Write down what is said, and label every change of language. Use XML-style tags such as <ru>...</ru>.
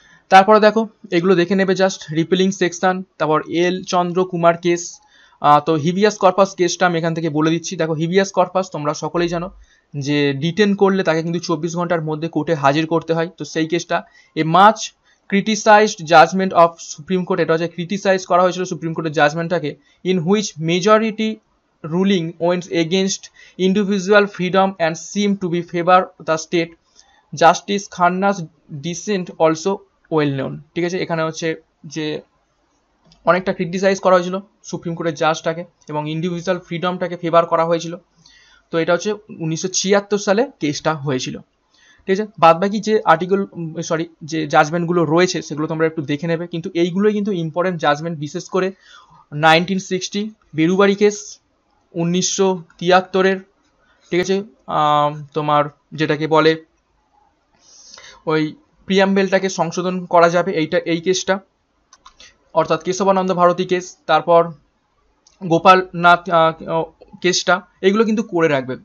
<bn>তারপরে দেখো এগুলো দেখে নেবে জাস্ট, রিপেলিং সেকশন, তারপর এল চন্দ্র কুমার কেস, তো হিবিয়াস কর্পাস কেসটা আমি এখান থেকে বলে দিচ্ছি। দেখো হিবিয়াস কর্পাস তোমরা সকলেই জানো যে ডিটেন করলে তাকে কিন্তু 24 ঘন্টার মধ্যে কোর্টে হাজির করতে হয়, তো সেই কেসটা।</bn> <en>a much criticised judgement of Supreme Court,</en> <bn>এটা হচ্ছে ক্রিটিসাইজ করা হয়েছিল সুপ্রিম কোর্টের জাজমেন্টটাকে,</bn> <en>In which majority ruling went against individual freedom and seemed to be favor the state. Justice Khanna's dissent also well known.</en> <bn>ঠিক আছে, এখানে হচ্ছে যে অনেকটা ক্রিটিসাইজ করা হয়েছিল সুপ্রিম কোর্টের জাজটাকে এবং ইন্ডিভিজুয়াল ফ্রিডমটাকে ফেভার করা হয়েছিল। তো এটা হচ্ছে 1976 সালে কেসটা হয়েছিল। ঠিক আছে, বাদবাকি যে আর্টিকেল সরি যে জাজমেন্টগুলো রয়েছে সেগুলো তোমরা একটু দেখে নেবে, কিন্তু এইগুলোই কিন্তু ইম্পর্টেন্ট জাজমেন্ট, বিশেষ করে 1960 বেরুবাড়ি কেস, 1973 ঠিক আছে তোমার যেটাকে বলে ওই প্রিয়াম্বেলটাকে সংশোধন করা যাবে এইটা এই কেসটা, অর্থাৎ কেশবানন্দ ভারতী কেস, তারপর গোপালনাথ কেসটা, এগুলো কিন্তু করে রাখবে।</bn>